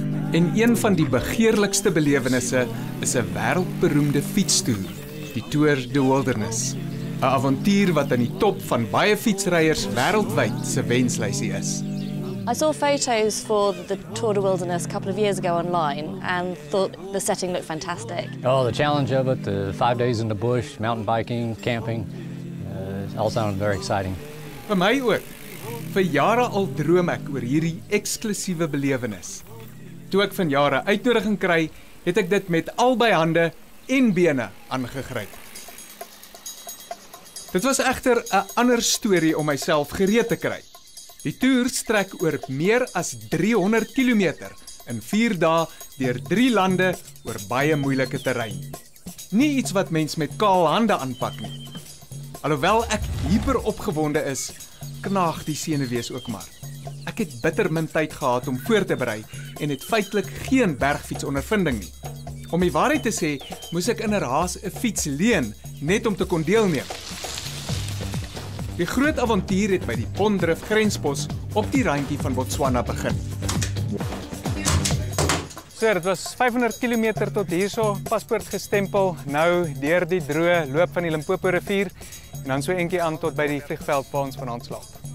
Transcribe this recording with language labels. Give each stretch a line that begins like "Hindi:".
Afrikaans: En een van die begeerlikste belewenisse is 'n wêreldberoemde fietstoer, die Tour de Wilderness. 'N Avontuur wat aan die top van baie fietsryers wêreldwyd se wenslysie is.
English: I saw photos for the Tour de Wilderness a couple of years ago online and thought the setting looked fantastic. Oh, the challenge of it, the 5 days in the bush, mountain biking, camping, all sounded very exciting.
Afrikaans: Vir my ook. Vir jare al droom ek oor hierdie eksklusiewe belewenis. Toe ek van jare uitnodiging kry, het ek dit met albei hande en bene aangegryp. Dit was egter 'n ander storie om myself gereed te kry. Die toer strek oor meer as 300 km in 4 dae deur 3 lande oor baie moeilike terrein. Nie iets wat mens met kaal hande aanpak nie. Alhoewel ek hyper opgewonde is, knaag die senuwees ook maar. Ek het bitter min tyd gehad om voor te berei en het feitelik geen bergfietsondervinding nie. Om die waarheid te sê, moes ek inderhaas 'n fiets leen net om te kon deelneem. Die groot avontuur het by die Pondrif grenspos op die randjie van Botswana begin. Sir, dit was 500 km tot hierso, paspoort gestempel, nou deur die droë loop van die Limpopo rivier en dan so eentjie aan tot by die vliegveld waar ons vanaand slaap.